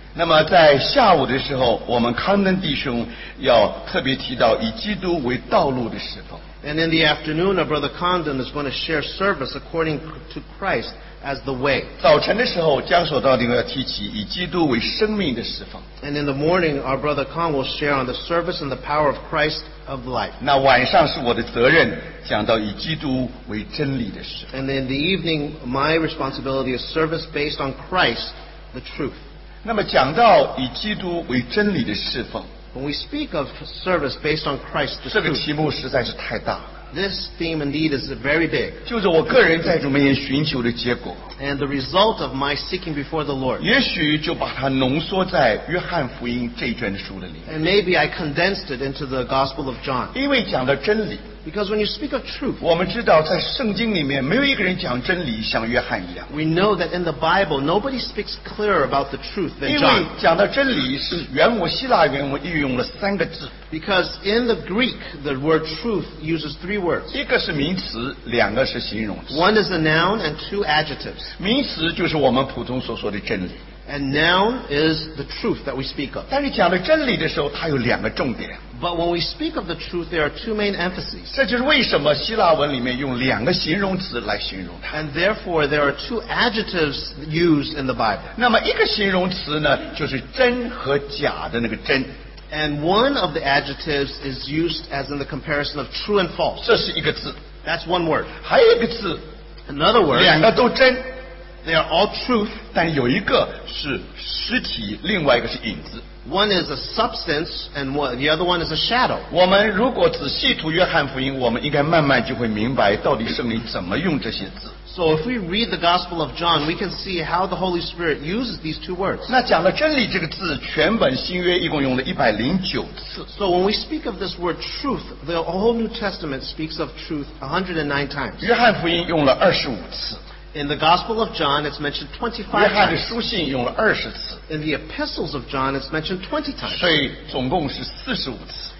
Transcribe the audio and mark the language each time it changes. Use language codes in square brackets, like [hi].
[zh] 那么在下午的时候, 我们康登弟兄要特别提到以基督为道路的侍奉, [en] and in the afternoon, our brother Condon is going to share service according to Christ as the way. [zh] 早晨的时候, 江守道丁要提起以基督为生命的侍奉, [en] and in the morning, our brother Kong will share on the service and the power of Christ of life. [zh] 那晚上是我的责任, 讲到以基督为真理的侍奉, [en] and in the evening, my responsibility is service based on Christ, the truth. [zh] 那么讲到以基督为真理的侍奉, [en] when we speak of service based on Christ, the truth, [zh] 这个题目实在是太大了, [en] this theme indeed is very big. [zh] 就是我个人在主面前寻求的结果, [en] and the result of my seeking before the Lord, [zh] 也许就把它浓缩在约翰福音这一卷的书里, [en] and maybe I condensed it into the Gospel of John. [zh] 因为讲的真理, [en] because when you speak of truth, [zh] 我们知道在圣经里面, 没有一个人讲真理, 像约翰一样, [en] we know that in the Bible, nobody speaks clearer about the truth than John. [zh] 因为讲的真理, 是原文希腊原文运用了三个字, [en] because in the Greek, the word truth uses three words. [zh] 一个是名词, 两个是形容词, [en] one is a noun and two adjectives. [zh] 名词就是我们普通所说的真理, [en] and noun is the truth that we speak of. [zh] 但是讲的真理的时候, 它有两个重点, [en] but when we speak of the truth, there are two main emphases. [zh] 这就是为什么希腊文里面用两个形容词来形容它, [en] and therefore there are two adjectives used in the Bible. [zh] 那么一个形容词呢, 就是真和假的那个真, [en] and one of the adjectives is used as in the comparison of true and false. [zh] 这是一个字, [en] that's one word. [zh] 还有一个字, [en] another word, [zh] 两个都真, [en] they are all truth, [zh] 但有一个是实体, 另外一个是影子, [en] one is a substance and one, the other one is a shadow. [zh] 我们如果仔细读约翰福音, 我们应该慢慢就会明白到底圣灵怎么用这些字。 [en] So if we read the Gospel of John, we can see how the Holy Spirit uses these two words. [zh] 那讲了真理这个字, 全本新约一共用了109次。 [en] So when we speak of this word truth, the whole New Testament speaks of truth 109 times. [zh] 约翰福音用了25次。 [en] In the Gospel of John, it's mentioned 25 times. In the Epistles of John, it's mentioned 20 times. [zh] 所以总共是45次。